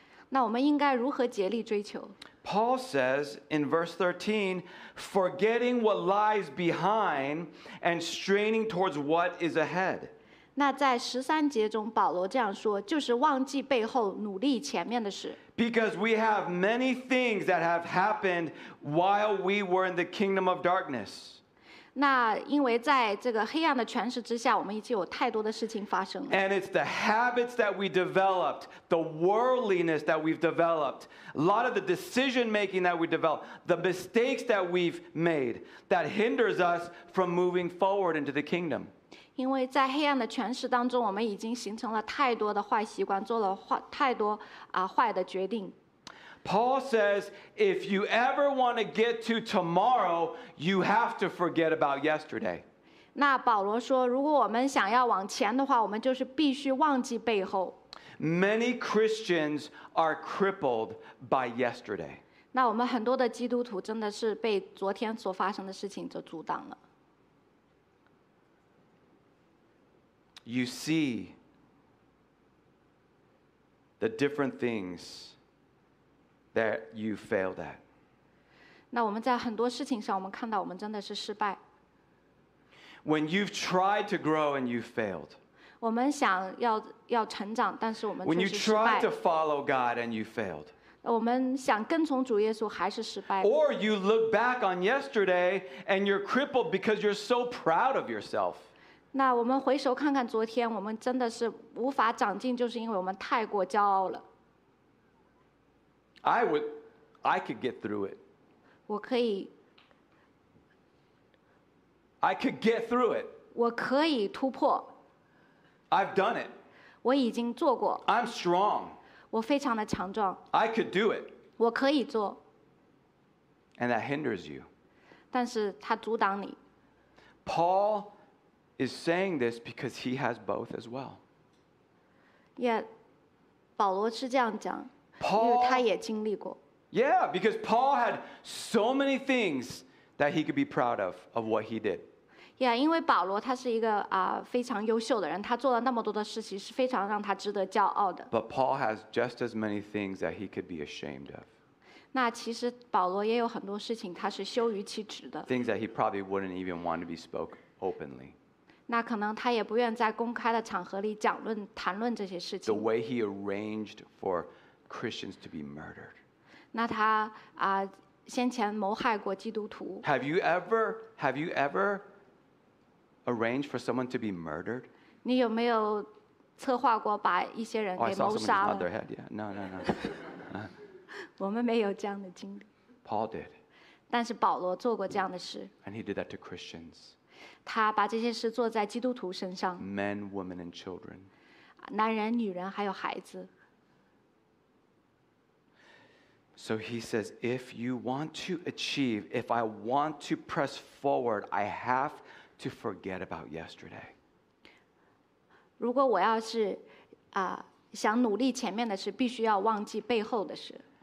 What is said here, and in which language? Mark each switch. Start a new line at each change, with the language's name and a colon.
Chinese: 那我们应该如何竭力追求？
English: Paul says in verse 13, forgetting what lies behind and straining towards what is ahead.
Chinese: 那在十三节中，保罗这样说，就是忘记背后，努力前面的事。
English: Because we have many things that have happened while we were in the kingdom of darkness.
Chinese: 那因为在这个黑暗的权势之下，我们已经有太多的事情发生了。
English: And it's the habits that we developed, the worldliness that we've developed, a lot of the decision making that we developed, the mistakes that we've made that hinders us from moving forward into the kingdom.
Chinese: 因为在黑暗的权势当中，我们已经形成了太多的坏习惯，做了太多坏的决定。
English: Paul says, if you ever want to get to tomorrow, you have to forget about yesterday.
Chinese: 那保罗说，如果我们想要往前的话，我们就是必须忘记背后。
English: Many Christians are crippled by yesterday.
Chinese: 那我们很多的基督徒真的是被昨天所发生的事情就阻挡了。
English: You see the different things that you failed at.
Chinese: 那我们在很多事情上，我们看到我们真的是失败。
English: When you've tried to grow and you failed.
Chinese: 我们想要成长，但是我们却是失败。
English: When you tried to follow God and you failed.
Chinese: 我们想跟从主耶稣还是失败。
English: Or you look back on yesterday and you're crippled because you're so proud of yourself.
Chinese: 那我们回首看看昨天，我们真的是无法长进，就是因为我们太过骄傲了。
English: I could get through it.
Chinese: 我可以。
English: I could get through it.
Chinese: 我可以突破。
English: I've done it.
Chinese: 我已经做过。
English: I'm strong.
Chinese: 我非常的强壮。
English: I could do it.
Chinese: 我可以做。
English: And that hinders you.
Chinese: 但是它阻挡你。
English: Paul. Is saying this because he has both as well.
Chinese: Yeah, 保罗是这样讲，
English: Paul,
Chinese: 因为他也经历过。
English: Yeah, because Paul had so many things that he could be proud of what he did.
Chinese: Yeah, 因为保罗他是一个非常优秀的人，他做了那么多的事情是非常让他值得骄傲的。
English: But Paul has just as many things that he could be ashamed of.
Chinese: 那其实保罗也有很多事情他是羞于启齿的。
English: Things that he probably wouldn't even want to be spoke openly.
Chinese: 那可能他也不愿在公开的场合里讲论、谈论这些事情。
English: The way he arranged for Christians to be murdered.
Chinese: 那他啊，先前谋害过基督徒。
English: Have you ever arranged for someone to be murdered?
Chinese: 你有没有策划过把一些人给谋杀了？
English: Oh, I saw someone just nod their head. Yeah. No.
Chinese: 我们没有这样的经历。
English: Paul did.
Chinese: 但是保罗做过这样的事。
English: And he did that to Christians.
Chinese: 他把这些事做在基督徒身上。
English: Men, women, and children.
Chinese: 男人、女人还有孩子。
English: So he says, if you want to achieve, if I want to press forward, I have to forget about yesterday.
Chinese: 如果我要是啊想努力前面的事，必须要忘记背后的事。